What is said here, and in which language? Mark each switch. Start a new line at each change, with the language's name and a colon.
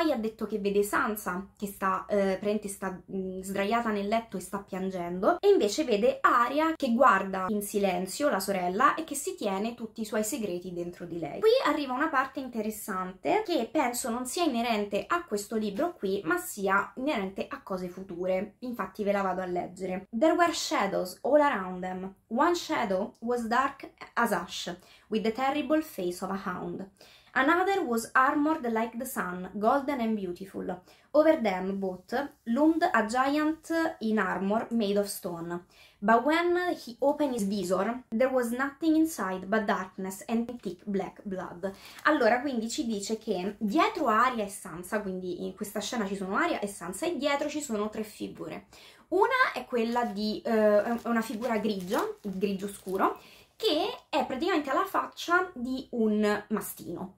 Italian: Poi ha detto che vede Sansa, che sta, praticamente sta sdraiata nel letto e sta piangendo, e invece vede Arya che guarda in silenzio la sorella e che si tiene tutti i suoi segreti dentro di lei. Qui arriva una parte interessante che penso non sia inerente a questo libro qui, ma sia inerente a cose future. Infatti ve la vado a leggere.
English: There were shadows all around them. One shadow was dark as ash, with the terrible face of a hound. Another was armored like the sun, golden and beautiful. Over them both loomed a giant in armor made of stone. But when he opened his visor, there was nothing inside but darkness and thick black blood.
Italian: Allora, quindi ci dice che dietro Arya e Sansa, quindi in questa scena ci sono Arya e Sansa, e dietro ci sono tre figure. Una è quella di una figura grigia, grigio scuro, che è praticamente la faccia di un mastino.